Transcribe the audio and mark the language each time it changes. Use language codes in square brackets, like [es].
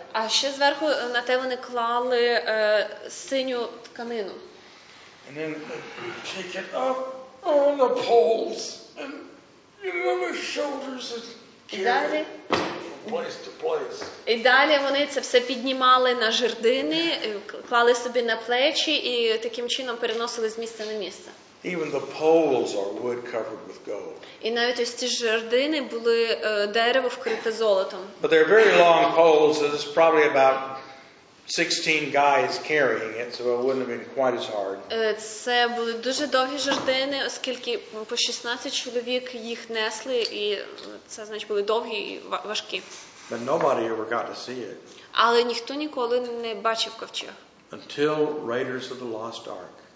[uk] А ще зверху на те вони клали синю тканину. [en] And then they take it up on the poles and you know, the shoulders and carry from place to place. [uk] І далі вони це все піднімали на жердини, клали собі на плечі і таким чином переносили з місця на місце. [en] Even the poles are wood covered with gold. [uk] І навіть ось ці жердини були дерево вкрите золотом. [en] But they're very long poles, so it's probably about 16 guys carrying it, so it wouldn't have been quite as hard. [uk] Це були дуже довгі жердини, оскільки по 16 чоловік їх несли, і це, значить, були довгі і важкі. [en] But nobody ever got to see it. [uk] Але ніхто ніколи не бачив ковчег. [en] Until Raiders of the Lost Ark.